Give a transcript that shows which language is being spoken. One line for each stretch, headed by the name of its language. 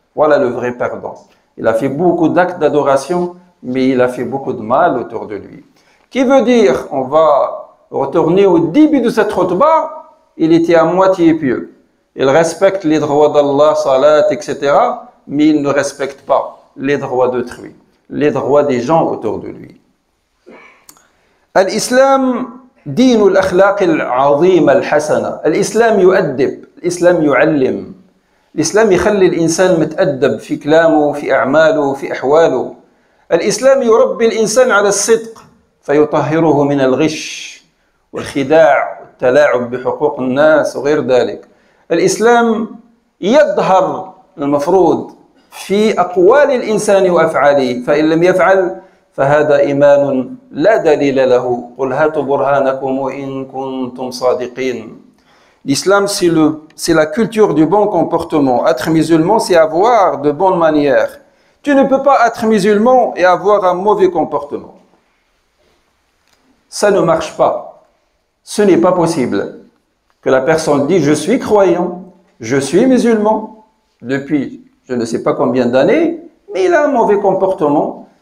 French: Voilà le vrai perdant. Il a fait beaucoup d'actes d'adoration, mais il a fait beaucoup de mal autour de lui. Qui veut dire, on va retourner au début de cette khutbah, il était à moitié pieux. Il respecte les droits d'Allah, salat, etc., mais il ne respecte pas les droits d'autrui, les droits des gens autour de lui.
Arabic: L'islam, دين الأخلاق العظيمة الحسنة. الإسلام يؤدب، الإسلام يعلم، الإسلام يخلي الإنسان متأدب في كلامه، في أعماله، في أحواله. الإسلام يربي الإنسان على الصدق فيطهره من الغش والخداع والتلاعب بحقوق الناس وغير ذلك. الإسلام يظهر المفروض في أقوال الإنسان وأفعاله، فإن لم يفعل فهذا إيمان لا دليل له، قل هاتوا برهانكم وإن كنتم صادقين.
French: L'islam, c'est la culture du bon comportement. Être musulman, c'est avoir de bonnes manières. Tu ne peux pas être musulman et avoir un mauvais comportement. Ça ne marche pas. Ce n'est pas possible. Que la personne dit, je suis croyant, je suis musulman, depuis je ne sais pas combien d'années, mais il a un mauvais comportement.